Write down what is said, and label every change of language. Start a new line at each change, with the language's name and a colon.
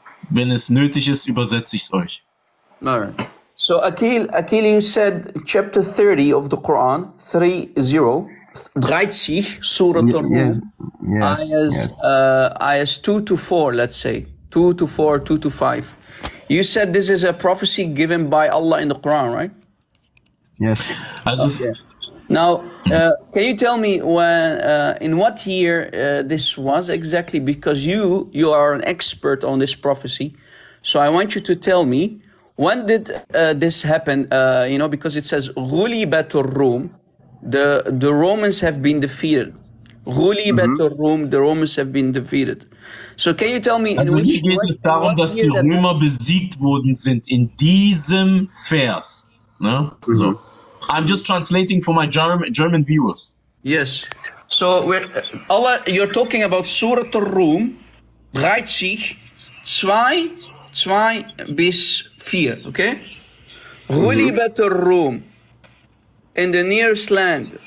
German: Wenn es nötig ist, übersetze ich es euch.
English: Alright. So Akil, you said chapter 30 of the Quran, 30, 30, Surah Ar-Rum, ayahs 2 to 4, let's say. 2 to 4, 2 to 5. You said this is a prophecy given by Allah in the Quran, right? Yes. Also, Okay. Now, can you tell me when, in what year this was exactly? Because you are an expert on this prophecy. So I want you to tell me, when did this happen? You know, because it says, Ghulibatur Rum, the Romans have been defeated. Ghulibatur Rum, the Romans have been defeated. So can you tell me, in which year?
German: Geht es darum, dass die Römer besiegt worden sind in diesem Vers.
English: Ne? So. I'm just translating for my German viewers. Yes. So you're talking about Surah Ar-Rum, 32:2-4, okay? Ghulibat Ar-Rum in the nearest land.